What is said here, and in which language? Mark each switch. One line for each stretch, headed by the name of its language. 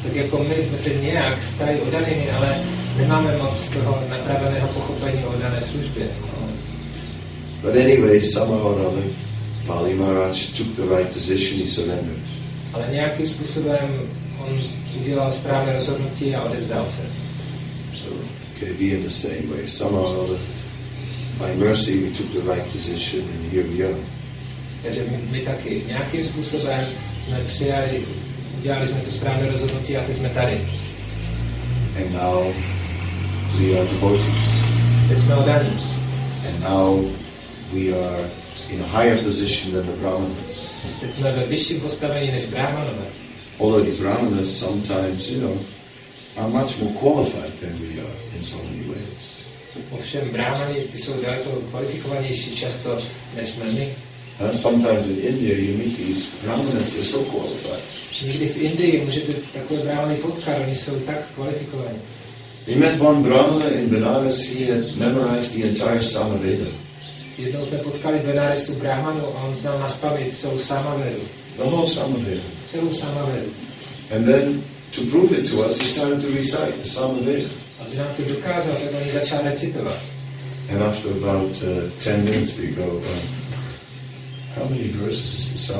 Czech: tak jako my jsme se nějak stali oddanými, ale nemáme moc toho napraveného pochopení o dané službě.
English: But anyway, somehow or other, Pali Maharaj took the right decision, he surrendered.
Czech: Ale nějakým způsobem on udělal správné rozhodnutí a odevzdal se.
English: So, could it be in the same way, somehow or other, by mercy we took the right decision and here we are.
Czech: Takže my taky nějakým způsobem jsme přijali, udělali jsme to správné rozhodnutí a teď jsme tady.
English: And now we are devotees.
Czech: Teď jsme odaní.
English: And now we are in a higher position than the Brahmanas.
Czech: Teď jsme ve vyšším postavení než Brahmanové.
English: Although the Brahmanas sometimes, you know, are much more qualified than we are in so many ways.
Czech: Ovšem Brahmani, ty jsou daleko kvalifikovanější často než jsme my.
English: And sometimes in India you meet these Brahmanas, they're so qualified.
Czech: Někdy v Indii můžete takové Brahmany potkat, oni jsou tak kvalifikovaní.
English: We met one Brahmana in Benares, he had memorized the entire Samaveda.
Czech: Jednou jsme potkali Benaresu Brahmanu a on znal naspamit celou Samavedu.
English: The whole Samaveda.
Czech: Celou Samavedu.
English: And then, to prove it to us, he started to recite the Samaveda.
Czech: Aby nám to dokázal, tak on začal recitovat.
English: And after about 10 minutes we go, how many verses is the